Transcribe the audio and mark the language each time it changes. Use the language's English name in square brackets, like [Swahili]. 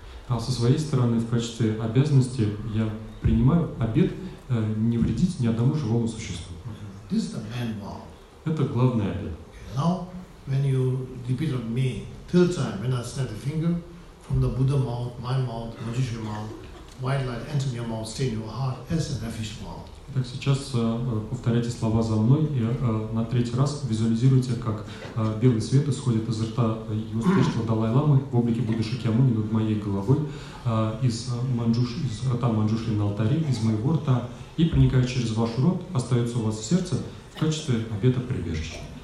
[Russian] А со своей стороны, в качестве обязанности, я принимаю обет не вредить ни одному живому существу. [English] This is the main vow. [Russian] Это главный обет. [English] Now, when you repeat of me third time, when I snap the finger from the Buddha mouth, my mouth, Manjushri mouth, white light enter your mouth, stay in your heart, as an official vow. [Russian] Так сейчас повторяйте слова за мной и на третий раз визуализируйте, как белый свет исходит из рта его святейшества Далай-ламы в облике Будды Шакьямуни над моей головой, из рта Манджушри на алтаре, из моего рта, и проникает через ваш рот, остается у вас в сердце в качестве обета прибежища.